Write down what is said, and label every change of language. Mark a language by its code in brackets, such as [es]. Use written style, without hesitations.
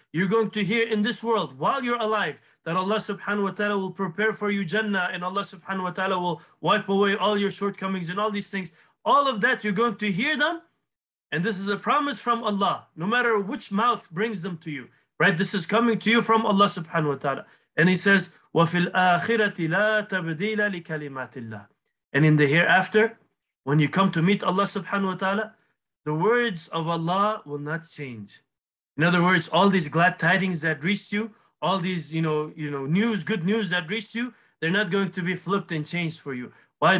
[en] You're going to hear in this world while you're alive that Allah subhanahu wa ta'ala will prepare for you Jannah, and Allah subhanahu wa ta'ala will wipe away all your shortcomings and all these things. All of that, you're going to hear them. And this is a promise from Allah, no matter which mouth brings them to you, right? This is coming to you from Allah subhanahu wa ta'ala. And he says, [ar] وَفِي الْآخِرَةِ لَا تَبْدِيلَ لِكَلِمَاتِ اللَّهِ. [en] And in the hereafter, when you come to meet Allah subhanahu wa ta'ala, the words of Allah will not change. In other words, all these glad tidings that reached you, all these, you know, news, good news that reached you, they're not going to be flipped and changed for you. Why?